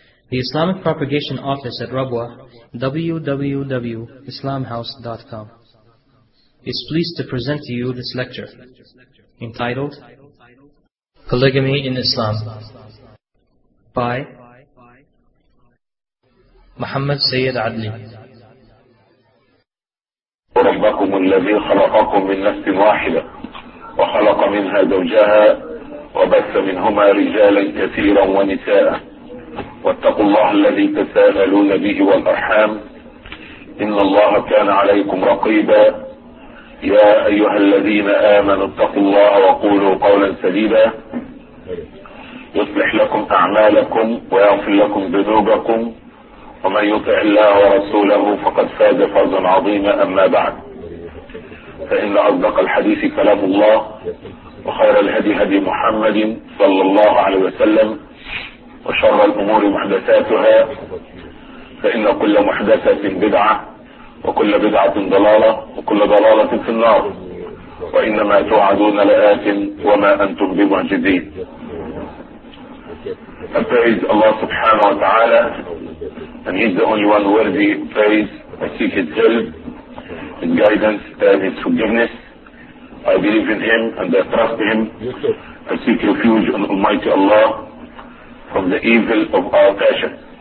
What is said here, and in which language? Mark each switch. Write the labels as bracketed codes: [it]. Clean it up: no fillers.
[en] The Islamic Propagation Office at Rabwa, www.islamhouse.com, is pleased to present to you this lecture, entitled Polygamy in Islam, by Muhammad Sayyid Adli. [ar] ربكم الذي خلقكم من نفس واحدة وخلق منها زوجها وبث منهما رجالا كثيرا ونساء واتقوا الله الذي تساءلون به والأرحام إن الله كان عليكم رقيبا يا أيها الذين آمنوا اتقوا الله وقولوا قولا سديدا يصلح لكم أعمالكم ويغفر لكم ذنوبكم ومن يطع الله ورسوله فقد فاز فوزا عظيما أما بعد فإن أصدق الحديث كلام الله وخير الهدي هدي محمد صلى الله عليه وسلم وشر الأمور محدثاتها فإن كل محدثة بدعة وكل بدعة ضلالة وكل ضلالة في النار وإنما توعدون لآت وما أنتم بمعجزين. [en] I praise Allah subhanahu wa ta'ala, and He's the only one worthy of praise. I seek His help, His guidance, and His forgiveness. I believe in Him and I trust Him. I seek refuge in Almighty Allah from the evil of our passion.